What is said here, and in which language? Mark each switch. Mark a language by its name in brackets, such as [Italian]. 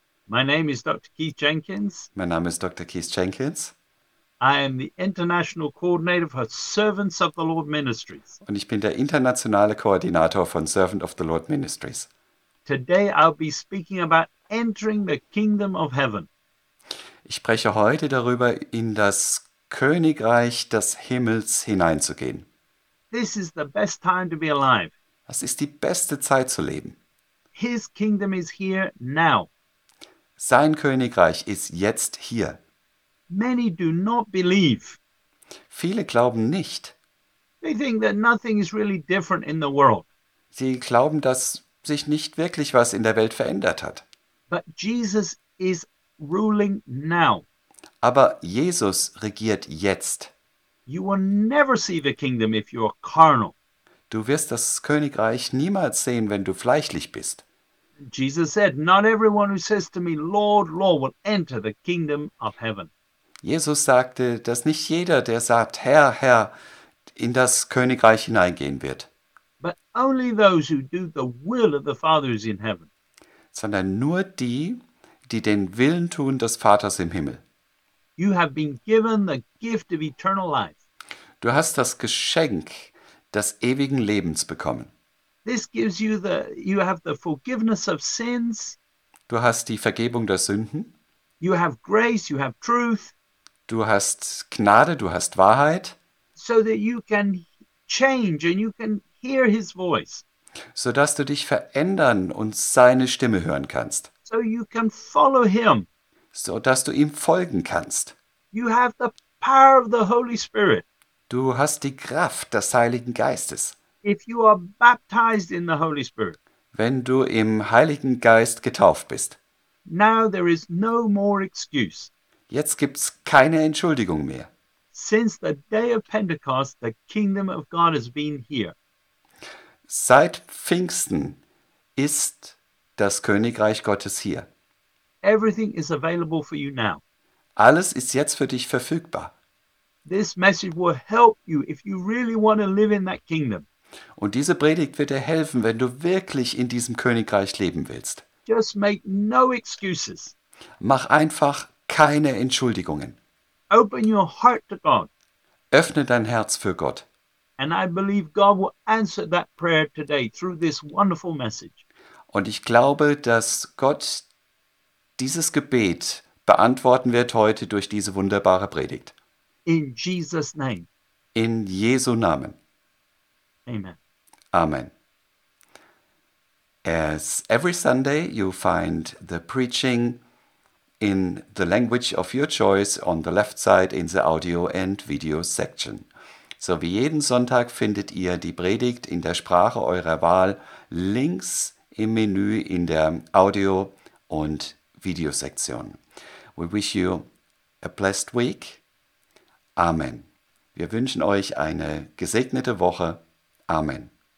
[English] My name is Dr. Keith Jenkins. My name is Dr. Keith Jenkins. I am the International Coordinator for Servants of the Lord Ministries. [German] Und ich bin der internationale Koordinator von Servant of the Lord Ministries. [English] Today I'll be speaking about entering the kingdom of heaven. [German] Ich spreche heute darüber, in das Königreich des Himmels hineinzugehen. [English] This is the best time to be alive. [German] Das ist die beste Zeit zu leben. [English] His kingdom is here now. [German] Sein Königreich ist jetzt hier. [English] Many do not believe. [German] Viele glauben nicht. [English] They think that nothing is really different in the world. [German] Sie glauben, dass sich nicht wirklich was in der Welt verändert hat. [English] But Jesus is ruling now. [German] Aber Jesus regiert jetzt. [English] You will never see the kingdom if you are carnal. [German] Du wirst das Königreich niemals sehen, wenn du fleischlich bist. [English] Jesus said, not everyone who says to me, Lord, Lord, will enter the kingdom of heaven. [German] Jesus sagte, dass nicht jeder, der sagt, Herr, Herr, in das Königreich hineingehen wird. [English] But only those who do the will of the Father is in heaven. [German] Sondern nur die, die den Willen tun des Vaters im Himmel. [English] You have been given the gift of eternal life. [German] Du hast das Geschenk des ewigen Lebens bekommen. [English] This gives you you have the forgiveness of sins. [German] Du hast die Vergebung der Sünden. [English] You have grace, you have truth. [German] Du hast Gnade, du hast Wahrheit. [English] So that you can change and you can hear his voice. [German] So dass du dich verändern und seine Stimme hören kannst. [English] So you can follow him. [German] So dass du ihm folgen kannst. [English] You have the power of the Holy Spirit. [German] Du hast die Kraft des Heiligen Geistes. [English] If you are baptized in the Holy Spirit. [German] Wenn du im Heiligen Geist getauft bist. [English] Now there is no more excuse. [German] Jetzt gibt's keine Entschuldigung mehr. [English] Since the day of Pentecost, the kingdom of God has been here. [German] Seit Pfingsten ist das Königreich Gottes hier. [English] Everything is available for you now. [German] Alles ist jetzt für dich verfügbar. [English] This message will help you if you really want to live in that kingdom. [German] Und diese Predigt wird dir helfen, wenn du wirklich in diesem Königreich leben willst. [English] Just make no excuses. [German] Mach einfach keine Entschuldigungen. [English] Open your heart to God. [German] Öffne dein Herz für Gott. [English] And I believe God will answer that prayer today through this wonderful message. [German] Und ich glaube, dass Gott dieses Gebet beantworten wird heute durch diese wunderbare Predigt. [English] In Jesus' name. [German] In Jesu Namen. [English] Amen. [German] Amen. [English] As every Sunday, you find the preaching in the language of your choice on the left side in the audio and video section. [German] So wie jeden Sonntag findet ihr die Predigt in der Sprache eurer Wahl links im Menü in der Audio und Video Sektion. [English] We wish you a blessed week. [German] Amen. Wir wünschen euch eine gesegnete Woche. Amen.